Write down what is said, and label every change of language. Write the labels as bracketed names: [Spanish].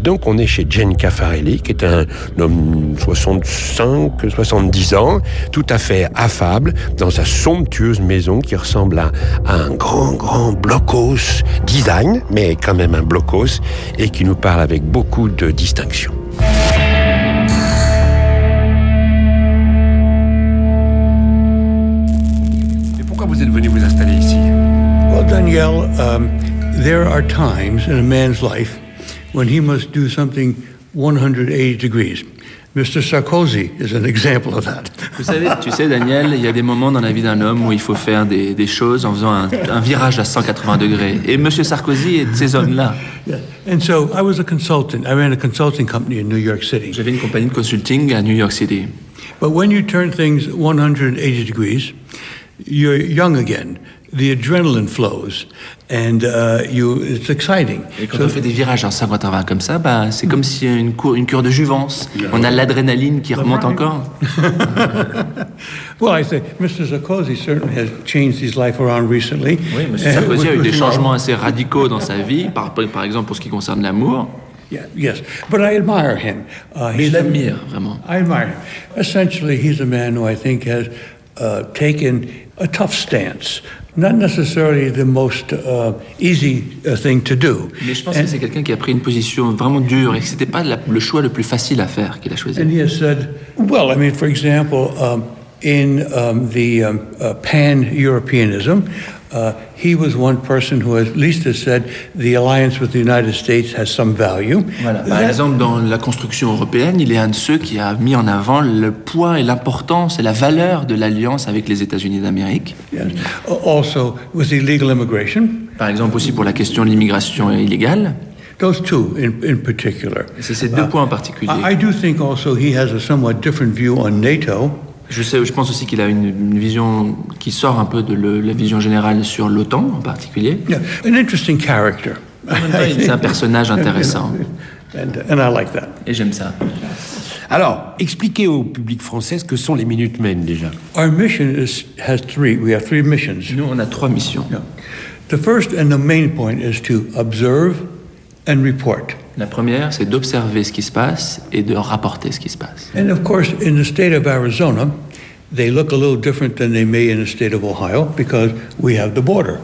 [French] Donc on est chez Jane Caffarelli, qui est un homme 65-70 ans, tout à fait affable, dans sa somptueuse maison qui ressemble à un grand, grand blockhaus design, mais quand même un blockhaus, et qui nous parle avec beaucoup de distinction. Et pourquoi vous êtes venu vous installer ici ? [English] Well, Daniel, there are times in a man's life when he must do something 180 degrees. Mr. Sarkozy is an example of that. [French] Vous savez, tu sais, Daniel, il y a des moments dans la vie d'un homme où il faut faire des choses en faisant un virage à 180 degrés. Et Monsieur Sarkozy est de ces hommes-là. [English] Yeah. And so I was a consultant. I ran a consulting company in New York City. [French] J'avais une compagnie de consulting à New York City. [English] But when you turn things 180 degrees, you're young again. The adrenaline flows, and it's exciting. [French] Et quand on fait des virages en 180 comme ça, bah, c'est comme si une cure de jouvence. Yeah. On a l'adrénaline qui remonte encore. [English] Well, I say, Mr. Sarkozy certainly has changed his life around recently. [French] Oui, Mr. Sarkozy a eu des changements assez radicaux dans sa vie, par exemple pour ce qui concerne l'amour. [English] Yeah, yes, but I admire him. [French] Mais je l'admire, vraiment. [English] I admire him. Essentially, he's a man who I think has taken a tough stance. Not necessarily the most easy thing to do. [French] Mais je pense que c'est quelqu'un qui a pris une position vraiment dure et que c'était pas le choix le plus facile à faire qu'il a choisi. [English] And he has said, well, I mean, for example, in the pan-Europeanism, he was one person who at least has said the alliance with the United States has some value. [French] Voilà. Par exemple, dans la construction européenne, il est un de ceux qui a mis en avant le poids et l'importance et la valeur de l'alliance avec les États-Unis d'Amérique. [English] Yes. Also, with illegal immigration. [French] Par exemple, aussi pour la question de l'immigration illégale. [English] Those two in particular. [French] C'est ces deux points en particulier. [English] I do think also he has a somewhat different view on NATO. [French] Je pense aussi qu'il a une vision qui sort un peu de la vision générale sur l'OTAN en particulier. [English] Yeah, an interesting character. [French] C'est un personnage intéressant. [English] And I like that. [French] Et j'aime ça. Alors, expliquez au public français ce que sont les Minutemen déjà. [English] Our mission has three. We have three missions. [French] Nous, on a trois missions. [English] Yeah. The first and the main point is to observe and report. [French] La première, c'est d'observer ce qui se passe et de rapporter ce qui se passe. [English] And of course, in the state of Arizona, they look a little different than they may in the state of Ohio because we have the border.